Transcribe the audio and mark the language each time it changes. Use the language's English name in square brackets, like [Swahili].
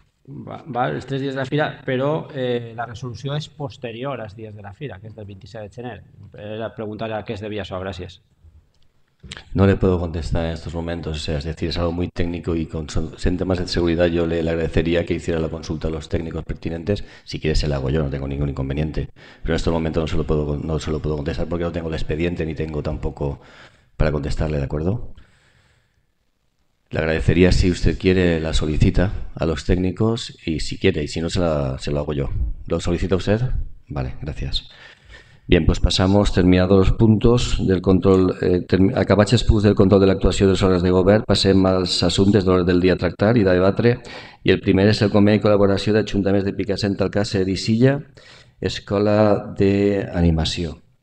[Catalan] Els 3 dies de la fira, però la resolució és posterior als dies de la fira, que és del 27 de gener. Era preguntar a què es devia això. Gràcies. [Spanish] No le puedo contestar en estos momentos, o sea, es decir, es algo muy técnico y en temas de seguridad yo le agradecería que hiciera la consulta a los técnicos pertinentes. Si quiere, se la hago yo, no tengo ningún inconveniente. Pero en estos momentos no se lo puedo contestar porque no tengo el expediente ni tengo tampoco para contestarle, ¿de acuerdo? Le agradecería si usted quiere la solicita a los técnicos y si quiere, y si no, se lo hago yo. ¿Lo solicita usted? Vale, gracias. Bien, pues pasamos, terminados los puntos del control, [Catalan] acabaches punts del control de la actuació de les obres de govern, passem als assumptes de l'ordre del dia a tractar i de debatre. I el primer és el conveni de col·laboració d'Ajuntaments de Picassent, en tal cas, Ericilla, Escola d'Animació.